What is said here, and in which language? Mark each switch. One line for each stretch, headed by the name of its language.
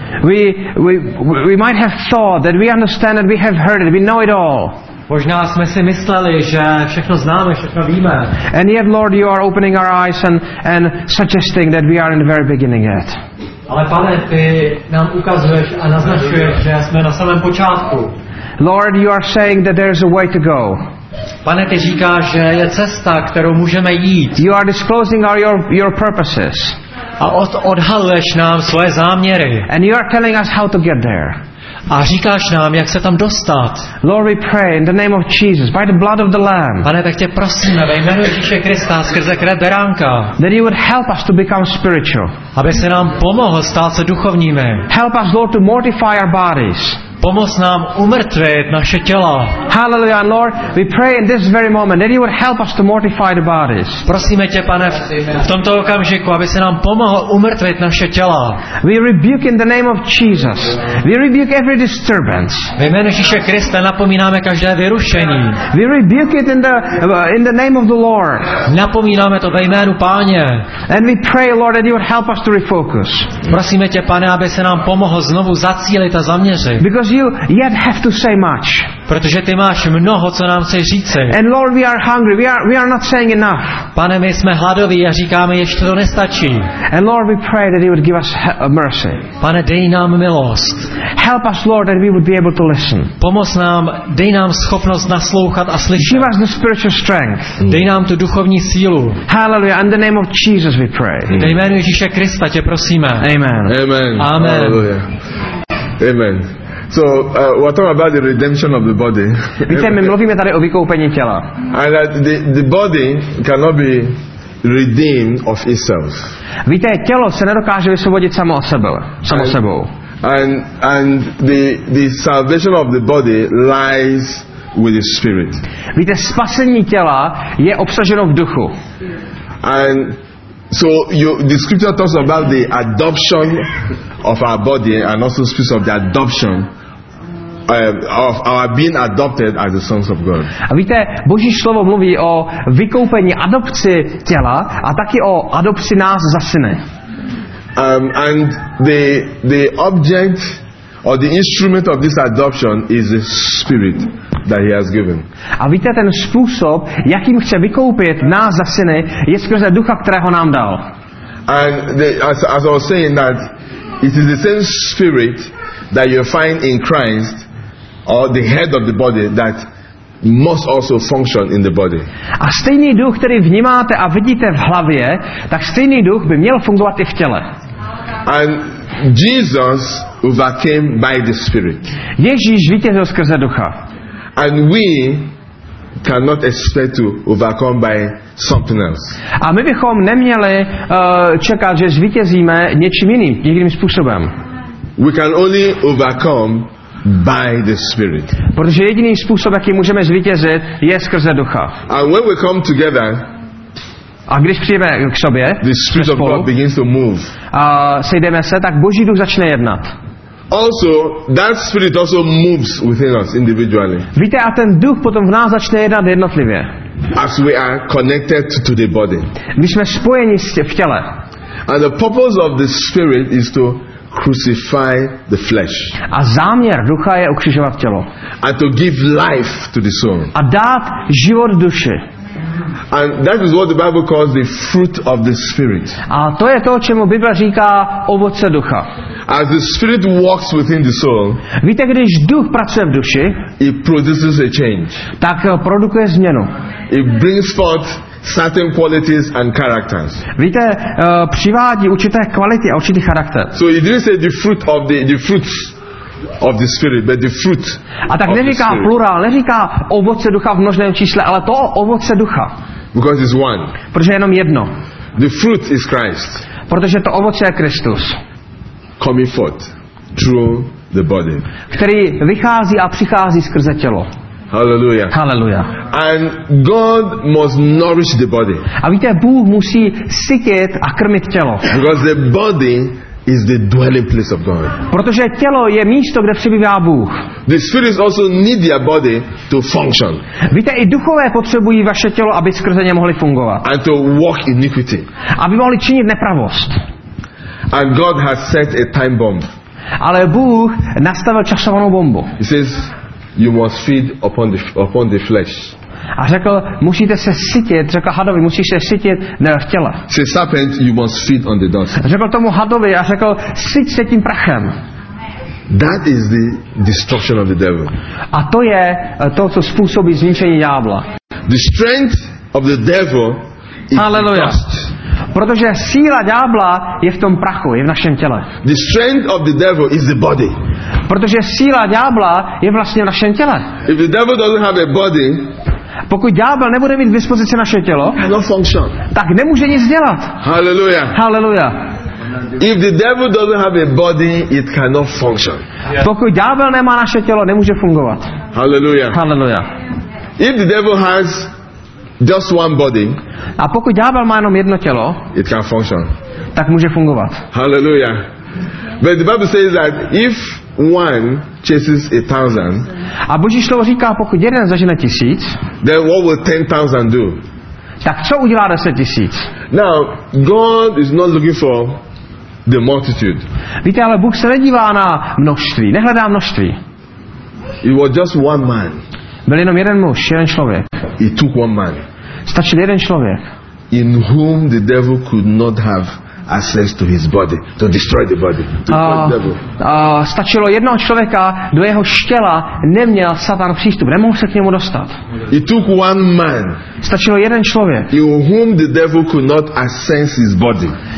English: We might have thought that we understand it, we have heard it, we know it all.
Czech: Možná jsme si mysleli, že všechno známe, všechno víme.
English: And yet, Lord, you are opening our eyes and suggesting that we are in the very beginning yet.
Czech: Ale Pane, ty nám ukazuješ a naznačuješ, že jsme na samém počátku.
English: Lord, you are saying that there is a way to go.
Czech: Pane, ty říkáš, že je cesta, kterou můžeme jít.
English: You are disclosing your purposes.
Czech: A odhaluješ nám svoje záměry.
English: And you are telling us how to get there.
Czech: A říkáš nám, jak se tam dostat.
English: Lord, we pray in the name of Jesus, by the blood of the Lamb.
Czech: Pane, tak tě prosíme, ve jménu Ježíše Krista, skrze krev beránka.
English: That you would help us to become spiritual.
Czech: Aby se nám pomohl stát se duchovními.
English: Help us, Lord, to mortify our bodies.
Czech: Pomoz nám umrtvit naše těla.
English: Hallelujah, Lord, we pray in this very moment that you would help us to mortify the bodies.
Czech: Prosíme tě, Pane, v tomto okamžiku, aby se nám pomohl umrtvit naše těla.
English: We rebuke in the name of Jesus. We rebuke every disturbance.
Czech: Ve jménu Ježíše Krista napomínáme každé vyrušení.
English: We rebuke it in the name of the Lord.
Czech: Napomínáme to ve jménu Páně.
English: And we pray, Lord, that you would help us to refocus.
Czech: Prosíme tě, Pane, aby se nám pomohl znovu zacílit a zaměřit.
English: Because you yet have to say much.
Czech: Protože ty máš mnoho, co nám chceš říci.
English: And Lord, we are hungry. We are not saying enough.
Czech: Pane, my jsme hladoví a říkáme, ještě to nestačí.
English: And Lord, we pray that you would give us mercy.
Czech: Pane, dej nám milost.
English: Help us, Lord, that we would be able to listen.
Czech: Pomoz nám, dej nám schopnost naslouchat a slyšet.
English: Give us the spiritual strength.
Czech: Dej nám tu duchovní sílu.
English: Hallelujah. In the name of Jesus, we pray.
Czech: Ve jménu Ježíše Krista tě prosíme. Amen. Amen. Amen. Amen.
English: So, we're talking about the redemption of the body.
Czech: Víte, my mluvíme tady o vykoupení těla.
English: And that the body cannot be redeemed of itself.
Czech: Víte, tělo se nedokáže vysvobodit samo o sebe, samo sebou.
English: And the salvation of the body lies with the spirit.
Czech: Víte, spasení těla je obsaženo v duchu.
English: And so the scripture talks about the adoption of our body and also speaks of the adoption of our being adopted as the sons of God.
Czech: A víte, Boží slovo mluví o vykoupení, adopci těla a taky o adopci nás za syny.
English: And the object or the instrument of this adoption is the spirit that he has given.
Czech: A víte, ten způsob, jakým chce vykoupit nás za syny, je skrze ducha, kterého nám dal.
English: And as I was saying that it is the same spirit that you find in Christ or the head of the body that must also function in the body.
Czech: A stejný duch, který vnímáte a vidíte v hlavě, tak stejný duch by měl fungovat i v těle.
English: And Jesus overcame by the spirit.
Czech: Ježíš vítězil skrze ducha.
English: And we cannot expect to overcome by something else.
Czech: A my bychom neměli čekat, že zvítězíme něčím jiným, jiným způsobem.
English: We can only overcome by the Spirit.
Czech: Protože jediný způsob, jaký můžeme zvítězit, je skrze ducha.
English: And when we come together,
Czech: a když přijdeme k sobě,
English: the Spirit of God begins to move.
Czech: A sejdeme se, tak Boží duch začne jednat.
English: Also, that Spirit also moves within us individually.
Czech: Víte, a ten duch potom v nás začne jednat jednotlivě.
English: As we are connected to the body.
Czech: My jsme spojeni v těle.
English: And the purpose of the Spirit is to crucify the flesh.
Czech: A záměr ducha je ukřižovat tělo.
English: And to give life to the soul.
Czech: A dát život duši.
English: And that is what the Bible calls the fruit of the Spirit.
Czech: A to je to, čemu Bible říká ovoce ducha.
English: As the Spirit walks within the soul,
Czech: víte, když duch pracuje v duši,
English: it produces a change.
Czech: Tak produkuje změnu.
English: It brings forth certain qualities and characters.
Czech: Víte, přivádí určité kvality a určitý charakter.
English: So it didn't say the fruit of the fruits of the spirit, but the fruit.
Czech: A tak neříká plural, neříká ovoce ducha v množném čísle, ale to ovoce ducha.
English: Because it's one.
Czech: Protože je jenom jedno.
English: The fruit is Christ.
Czech: Protože to ovoce je Kristus.
English: Coming forth through the body.
Czech: Který vychází a přichází skrze tělo. Hallelujah. Hallelujah.
English: And God must nourish the body.
Czech: A víte, Bůh musí sytit a krmit tělo.
English: Because the body is the dwelling place of God.
Czech: Protože tělo je místo, kde přebývá Bůh.
English: The spirits also need their body to function.
Czech: Víte, i duchové potřebují vaše tělo, aby skrze ně mohli fungovat.
English: And to walk iniquity.
Czech: Aby mohli činit nepravost.
English: And God has set a time bomb.
Czech: Ale Bůh nastavil časovanou bombu.
English: He says, you must feed upon the flesh.
Czech: A řekl, musíte se sytit, řekl hadovi, musíš se sytit v těle.
English: Say, serpent, you must feed on the dust.
Czech: Řekl tomu hadovi a řekl, syť se tím prachem.
English: That is the destruction of the devil.
Czech: A to je to, co způsobí zničení ďábla.
English: The strength of the devil is Hallelujah. The dust.
Czech: Protože síla ďábla je v tom prachu, je v našem těle.
English: The strength of the devil is the body.
Czech: Protože síla ďábla je vlastně v našem těle.
English: If the devil doesn't have a body,
Czech: pokud ďábel nebude mít k dispozici naše tělo, tak nemůže nic dělat. Hallelujah. Hallelujah.
English: If the devil doesn't have a body, it cannot function.
Czech: Pokud ďábel nemá naše tělo, nemůže fungovat. Hallelujah. Hallelujah.
English: If the devil has just one body,
Czech: a pokud ďábel má jenom jedno tělo,
English: it can function.
Czech: Tak může fungovat. Hallelujah.
English: But the Bible says that if one chases a thousand,
Czech: a Boží slovo říká, pokud jeden zažene tisíc,
English: then what will 10,000 do?
Czech: Tak co udělá 10,000?
English: Now, God is not looking for the multitude.
Czech: Víte, ale Bůh se nedívá na množství, nehledá množství.
English: It was just one man.
Czech: Byl jenom jeden muž, jeden člověk.
English: It took one man.
Czech: Stačil jeden člověk.
English: In whom the devil could not have access to his body, to destroy the body, to kill the devil.
Czech: Stačilo jednoho člověka, do jeho štěla neměl Satan přístup, nemohl se k němu dostat.
English: It took one man.
Czech: Stačilo jeden člověk.
English: In whom the devil could not access his body.